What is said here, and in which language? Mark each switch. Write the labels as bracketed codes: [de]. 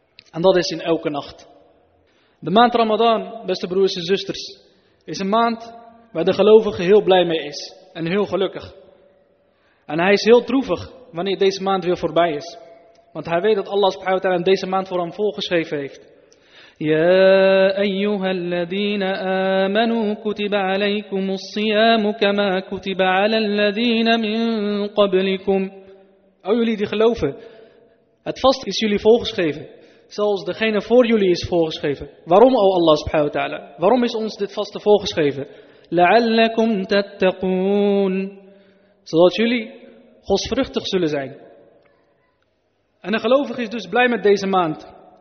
[nl] En dat is in elke nacht. De maand Ramadan, beste broers en zusters, is een maand waar de gelovige heel blij mee is en heel gelukkig. En hij is heel droevig wanneer deze maand weer voorbij is. Want hij weet dat Allah subhanahu wa ta'ala deze maand voor hem volgeschreven heeft. [ar] يا أيها الذين آمنوا كتب عليكم الصيام كما كتب على الذين من قبلكم [nl] O jullie die geloven, het vast is jullie voorgeschreven, zoals degene voor jullie is voorgeschreven. Waarom, o Allah subhanahu wa ta'ala? Waarom is ons dit vaste voorgeschreven? [ar] La'allakum tattaqoon. [nl] Zodat jullie godsvruchtig zullen zijn. En een gelovige is dus blij met deze maand.